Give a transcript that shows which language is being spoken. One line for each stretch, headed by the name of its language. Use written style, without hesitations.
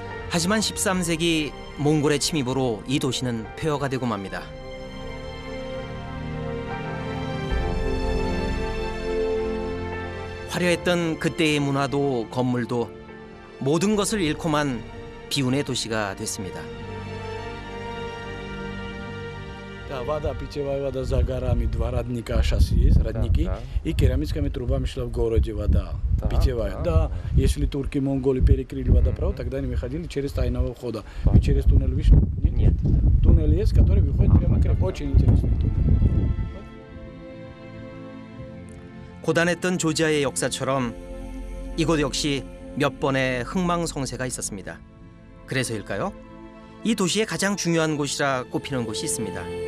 Korean: 하지만 13세기 몽골의 침입으로 이 도시는 폐허가 되고 맙니다. 화려했던 그때의 문화도 건물도 모든 것을 잃고 만 기운의 도시가 됐습니다.
Russian: 다 вода питьевая вода за горами два родника сейчас есть родники и керамическими трубами шла в городе вода питьевая. Да, если турки монголы перекрыли водопровод, тогда они выходили через тайного входа. Вы через туннель вышли? Нет. Туннель есть, который выходит прямо к реке. Очень интересный туннель.
Korean: 고단했던 조지아의 역사처럼 이곳 역시 몇 번의 흥망성쇠가 있었습니다. 그래서일까요? 이 도시의 가장 중요한 곳이라 꼽히는 곳이 있습니다.